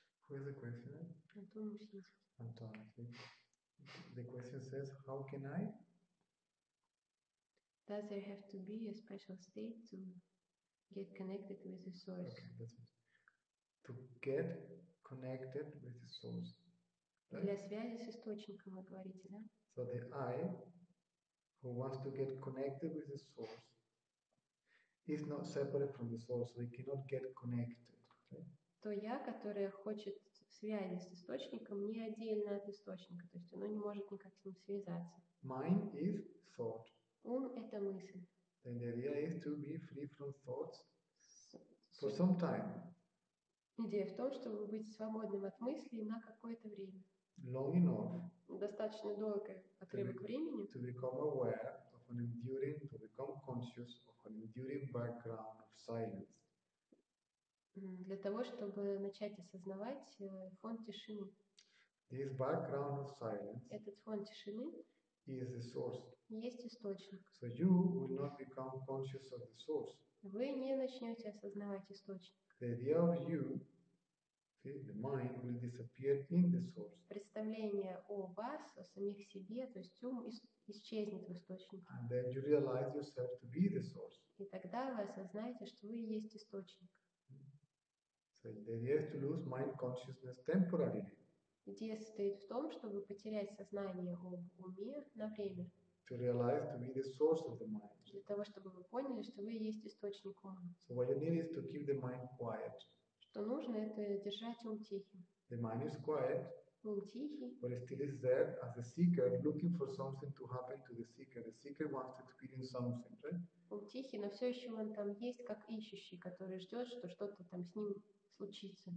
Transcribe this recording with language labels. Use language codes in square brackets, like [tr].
[en] Who is the question? Anton Mushinsky. Anton, the question says, how can I? Does there have to be a special state to get connected with the source? Okay, that's it. To get connected with the source. Right? [ru] Для связи с источником, вы говорите, да? [en] So the I, who wants to get connected with the source, is not separate from the source, so it cannot get connected. Right? [ru] То я, которое хочет связи с источником, не отдельно от источника, то есть оно не может никак с ним связаться. [en] Mind is thought. [ru] Ум – это мысль. [en] Then the idea is to be free from thoughts for some time. [ru] Идея в том, чтобы быть свободным от мыслей на какое-то время. [en] Long enough. [ru] Достаточно долгое отрывок времени. [en] To become aware of an enduring, to become conscious of an enduring background of silence. [ru] Для того, чтобы начать осознавать фон тишины. [en] This background of silence. [ru] Этот фон тишины. [en] Is the source. [ru] Есть источник. [en] So you will not become conscious of the source. [ru] Вы не начнете осознавать источник. [en] The idea of you The mind will disappear in the source. [ru] Представление о вас, о самих себе, то есть ум исчезнет в источнике. [en] And then you realize yourself to be the source. [ru] И тогда вы осознаете, что вы есть источник. [en] So the idea is to lose mind consciousness temporarily. [ru] Идея состоит в том, чтобы потерять сознание об уме на время. [en] To realize to be the source of the mind. [ru] Для того, чтобы вы поняли, что вы есть источник ума. [en] So what you need is to keep the mind quiet. [ru] Что нужно, это держать ум тихим. [en] The mind is quiet. [ru] Ум тихий. [en] But it still is there as a seeker, looking for something to happen to the seeker. The seeker wants to experience something, right? [ru] Ум тихий, но все еще он там есть, как ищущий, который ждет, что что-то там с ним случится.